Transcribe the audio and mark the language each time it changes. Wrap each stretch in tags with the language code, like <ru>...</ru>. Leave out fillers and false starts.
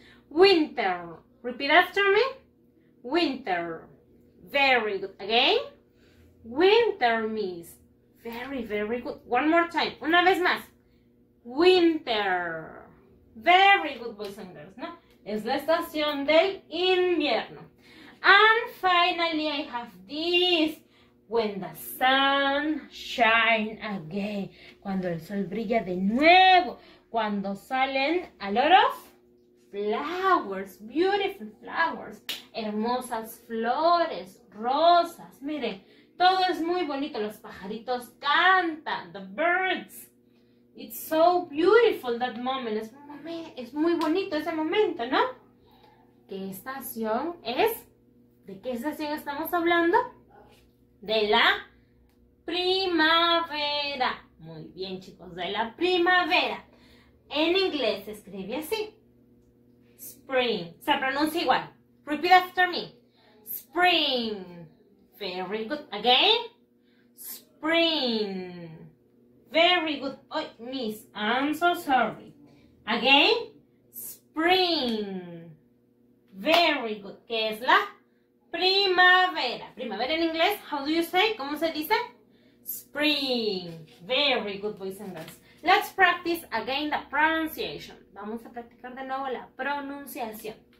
<en>Winter. Repeat after me. Winter. Very good. Again. Winter, miss. Very, very good. One more time.</en> <es>Una vez más.</es> <en>Winter. Very good, boys and girls, ¿no?</en> <es>Es la estación del invierno.</es> <en>And finally, I have this. When the sun shines again.</en> <es>Cuando el sol brilla de nuevo. Cuando salen</es> <en>a lot of flowers. Beautiful flowers.</en> <es>Hermosas flores. Rosas. Miren, todo es muy bonito. Los pajaritos cantan.</es> <en>The birds. It's so beautiful that moment.</en> <es>Es muy bonito ese momento, ¿no? ¿Qué estación es? ¿De qué estación estamos hablando? De la primavera. Muy bien, chicos. De la primavera. En inglés se escribe así.</es> <en>Spring.</en> <es>Se pronuncia igual.</es> <en>Repeat after me. Spring. Very good. Again. Spring. Very good. Oh, miss, I'm so sorry. Again. Spring. Very good.</en> <es>¿Qué es la primavera? Primavera en inglés.</es> <en>How do you say?</en> <es>¿Cómo se dice?</es> <en>Spring. Very good, boys and girls. Let's practice again the pronunciation.</en> <es>Vamos a practicar de nuevo la pronunciación.</es>